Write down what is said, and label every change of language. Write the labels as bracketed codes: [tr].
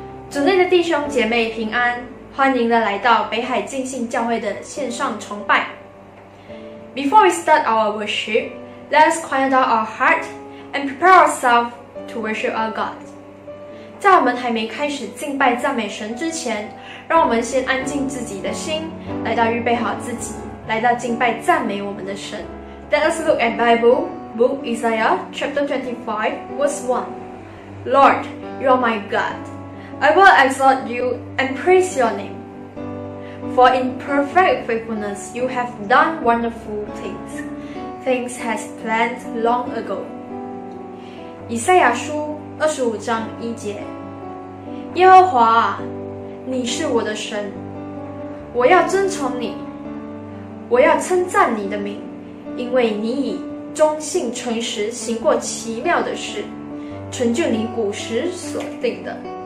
[zh] 主内的弟兄姐妹平安，欢迎来到北海浸信教会的线上崇拜。 [en] Before we start our worship, let us quiet down our heart and prepare ourselves to worship our God. [zh] 在我们还没开始敬拜赞美神之前，让我们先安静自己的心，来到预备好自己，来到敬拜赞美我们的神。 [en] Let us look at Bible. Book Isaiah chapter 25 verse 1 Lord, you are my God. I will exalt you and praise your name. For in perfect faithfulness you have done wonderful things. Things has planned long ago. [zh] 以赛亚书25章1节耶和华啊，你是我的神，我要尊崇你，我要称赞你的名，因为你以忠信诚实行过奇妙的事，成就你古时所定的。